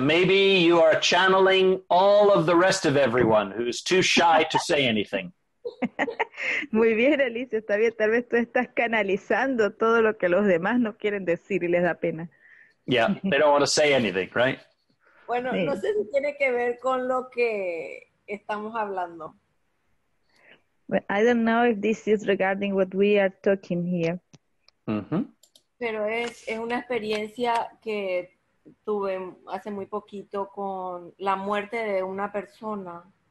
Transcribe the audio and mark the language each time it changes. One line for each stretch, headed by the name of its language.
English: Maybe you are channeling all of the rest of everyone who's too shy to say anything.
Spanish: Muy bien, Alicia, está bien. Tal vez tú estás canalizando todo lo que los demás no quieren decir y les da pena.
English: Yeah, they don't want to say anything, right?
Spanish: Bueno, sí. No sé si tiene que ver con lo que estamos hablando.
English: But I don't know if this is regarding what we are talking here. Mm-hmm.
Spanish: Pero es una experiencia que tuve hace muy poquito con la muerte de una persona.